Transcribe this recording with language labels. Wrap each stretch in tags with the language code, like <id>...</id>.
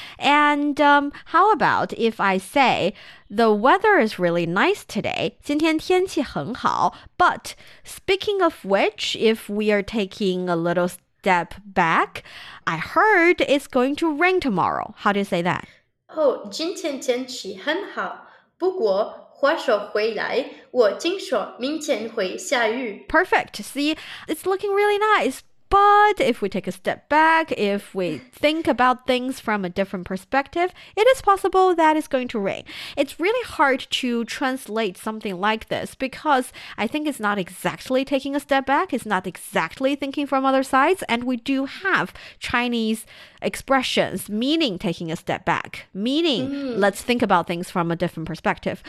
<en>And how about if I say, the weather is really nice today,</en> <zh>今天天气很好,</zh> <en>but speaking of which, if we are taking a little step back, I heard it's going to rain tomorrow. How do you say that?</en> <zh>Oh, 今天天气很好,不过话说回来,我听说明天会下雨。</zh> <en>Perfect. See, it's looking really nice. But if we take a step back, if we think about things from a different perspective, it is possible that it's going to rain. It's really hard to translate something like this because I think it's not exactly taking a step back. It's not exactly thinking from other sides. And we do have Chinese expressions, meaning taking a step back, meaning let's think about things from a different perspective.</en>